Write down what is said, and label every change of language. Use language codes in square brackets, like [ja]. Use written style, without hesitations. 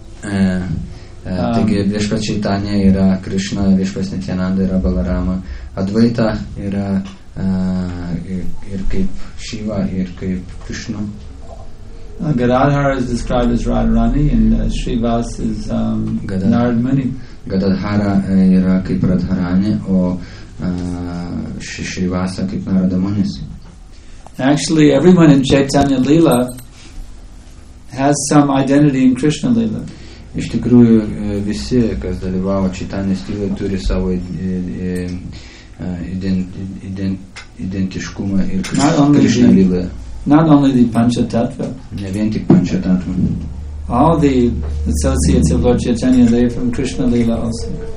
[lt] Taigi, Viešpats Čaitanya yra Krishna, Viešpats Nityananda yra Balarama, Advaita yra ir kaip Shiva, ir kaip Krishna. [en] Gadadhar is described as Radharani, and Srivas is Narad Muni. [lt] Gadadhara yra kaip Radharani, o Srivasa kaip Narada Munis. [en] Actually, everyone in Chaitanya Lila has some identity in Krishna Lila. [lt] Iš tikrųjų, visi, kas dalyvavo Chaitanya Lila, turi savo identiškumą ir Krishna Lila. [en] Not only the Panchatattva. [lt] Ne vien tik Panchatattva. [en] All the associates of Lord Chaitanya, they are from Krishna Lila also.